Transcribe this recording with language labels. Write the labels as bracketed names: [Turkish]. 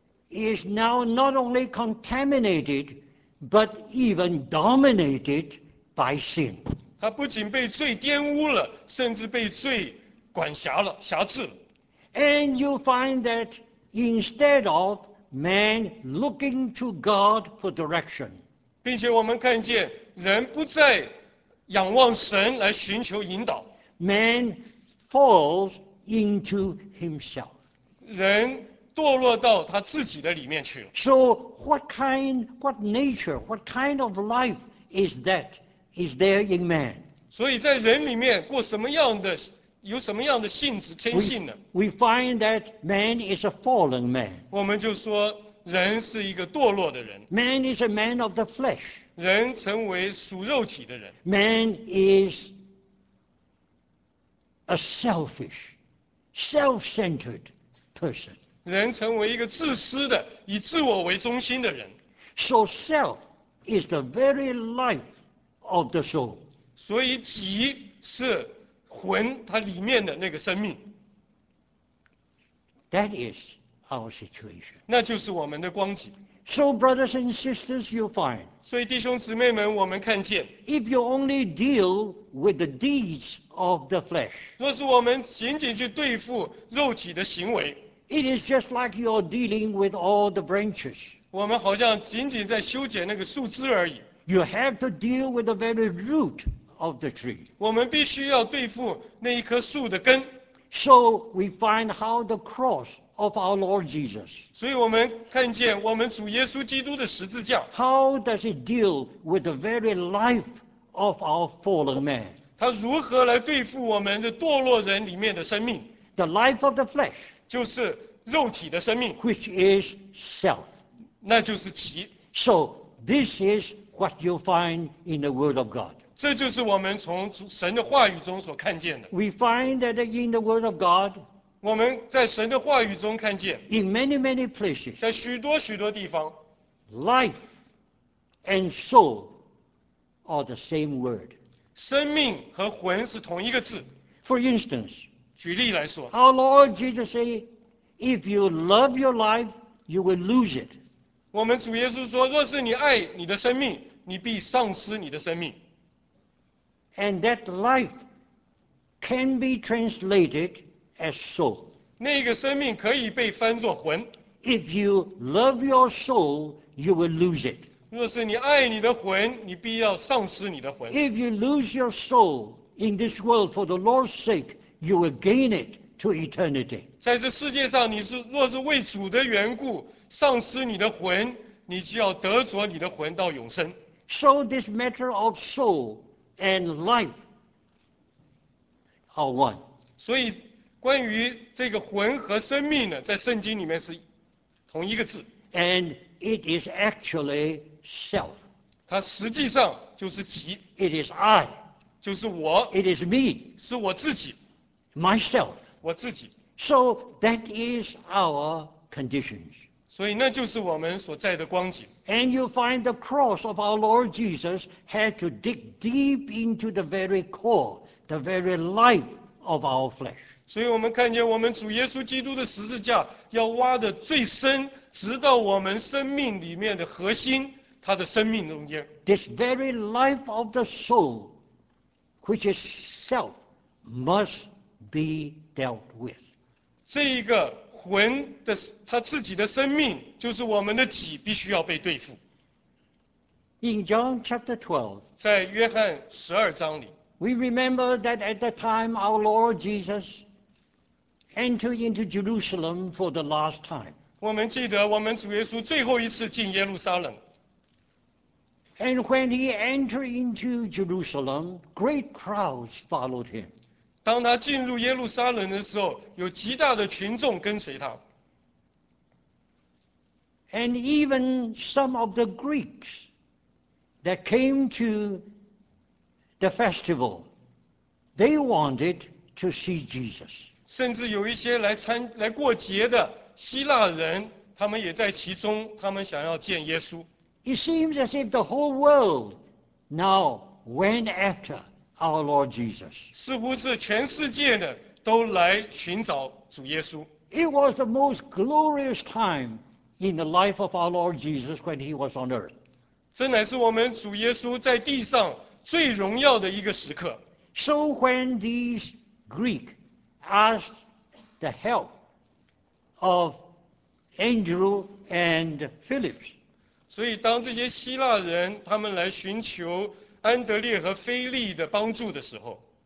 [English] Is now not only contaminated, but even dominated by sin. [Chinese] 它不仅被罪玷污了，甚至被罪管辖了、辖制了。 [English] And you find that instead of man looking to God for direction, [Chinese] 并且我们看见人不再仰望神来寻求引导。 [English] Man falls into himself. [Chinese] 人堕落到他自己的里面去了。 [English] So what kind, what nature, what kind of life is that is there in man? [Chinese] 所以在人里面过什么样的，有什么样的性质天性呢？ [English] We find that man is a fallen man. [Chinese] 我们就说人是一个堕落的人。 [English] Man is a man of the flesh. [Chinese] 人成为属肉体的人。 [English] Man is a selfish, self-centered person. [Chinese] 人成为一个自私的，以自我为中心的人。 [English] So self is the very life of the soul. [Chinese] 所以己是魂它里面的那个生命。 [English] That is our situation. [Chinese] 那就是我们的光景。 [English] So brothers and sisters, you find. [Chinese] 所以弟兄姊妹们，我们看见。 [English] If you only deal with the deeds of the flesh. [Chinese] 若是我们仅仅去对付肉体的行为。 [English] It is just like you are dealing with all the branches. [Chinese] 我们好像仅仅在修剪那个树枝而已。 [English] You have to deal with the very root. Of the tree. [Chinese] 我们必须要对付那一棵树的根。 [English] So we find how the cross of our Lord Jesus. [Chinese] 所以我们看见我们主耶稣基督的十字架。 [English] How does it deal with the very life of our fallen man? [Chinese] 它如何来对付我们的堕落人里面的生命 [English] ？The life of the flesh. [Chinese] 就是肉体的生命。 [English] Which is self. [Chinese] 那就是己。 [English] So this is what you find in the Word of God. [Chinese] 这就是我们从神的话语中所看见的。 [English] We find that in the Word of God, [Chinese] 我们在神的话语中看见。 [English] In many many places, [Chinese] 在许多许多地方 [English] ，life and soul are the same word. [Chinese] 生命和魂是同一个字。 [English] For instance, [Chinese] 举例来说 [English] ，Our Lord Jesus said, "If you love your life, you will lose it." [Chinese] 我们主耶稣说，若是你爱你的生命，你必丧失你的生命。 [English] And that life can be translated as soul. [Chinese] 那个生命可以被翻作魂。 [English] If you love your soul, you will lose it. [Chinese] 若是你爱你的魂，你必要丧失你的魂。 [English] If you lose your soul in this world for the Lord's sake, you will gain it to eternity. [Chinese] 在这世界上，你是若是为主的缘故丧失你的魂，你就要得着你的魂到永生。 [English] So this matter of soul. And life are one. [Chinese] 所以关于这个魂和生命呢，在圣经里面是同一个字。 [English] And it is actually self. [Chinese] 它实际上就是己。 [English] It is I. [Chinese] 就是我。 [English] It is me. [Chinese] 是我自己。 [English] Myself. [Chinese] 我自己。 [English] So that is our conditions. [Chinese] 所以那就是我们所在的光景。 [English] And you find the cross of our Lord Jesus had to dig deep into the very core, the very life of our flesh. [Chinese] 所以我们看见我们主耶稣基督的十字架要挖得最深，直到我们生命里面的核心，他的生命中间。 [English] This very life of the soul, which is self, must be dealt with. [Chinese] 这一个魂的他自己的生命，就是我们的己，必须要被对付。 [English] In John chapter 12, [Chinese] 在约翰十二章里 [English] ，We remember that at the time our Lord Jesus entered into Jerusalem for the last time. [Chinese] 我们记得我们主耶稣最后一次进耶路撒冷。 [English] And when he entered into Jerusalem, great crowds followed him. [Chinese] 当他进入耶路撒冷的时候，有极大的群众跟随他。 [English] And even some of the Greeks that came to the festival, they wanted to see Jesus. [Chinese] 甚至有一些来过节的希腊人，他们也在其中，他们想要见耶稣。 [English] It seems as if the whole world now went after. Our Lord Jesus. [Chinese] 是不是全世界的都来寻找主耶稣 [English] ？It was the most glorious time in the life of our Lord Jesus when he was on earth. [Chinese] 这乃是我们主耶稣在地上最荣耀的一个时刻。 [English] So when these Greeks asked the help of Andrew and Philip, [Chinese] 所以当这些希腊人他们来寻求。安德烈和菲利的帮助的时候